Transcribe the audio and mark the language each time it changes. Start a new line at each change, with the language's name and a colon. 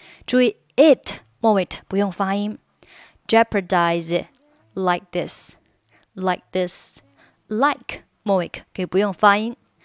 Chinese: 注意 it 末尾不用发音。
English: Jeopardize it like this.
Chinese: Like 末尾可以不用发音。